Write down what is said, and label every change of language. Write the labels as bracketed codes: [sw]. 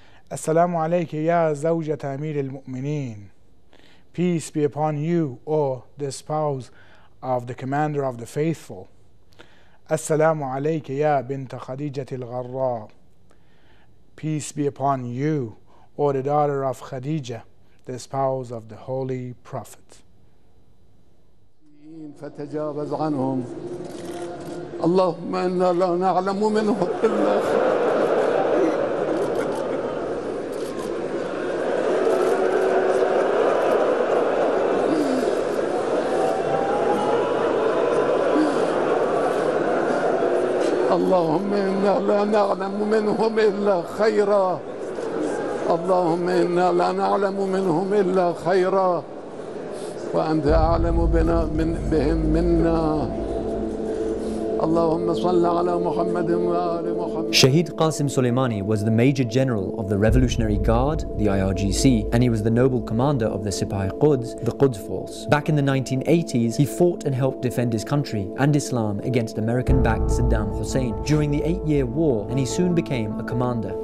[ar] Assalamu alayka ya Zawjat Amir al-Mu'mineen. [en] Peace be upon you, O the spouse of the Commander of the Faithful. [ar] Assalamu alayka ya Binta Khadijat al-Gharra. [en] Peace be upon you, O the daughter of Khadija, the spouse of the Holy Prophet. [ar] فتجاوز عنهم اللهم إنا لا نعلم منهم إلا اللهم إنا لا نعلم منهم إلا خيرا اللهم إنا لا نعلم منهم إلا خيرا وأنت أعلم بنا من بهم منا اللهم صل على محمد وآل محمد. [en] Shahid Qasim Soleimani was the major general of the Revolutionary Guard, the IRGC, and he was the noble commander of the Sipahi Quds, the Quds Force. Back in the 1980s, he fought and helped defend his country and Islam against American-backed Saddam Hussein during the eight-year war, and he soon became a commander.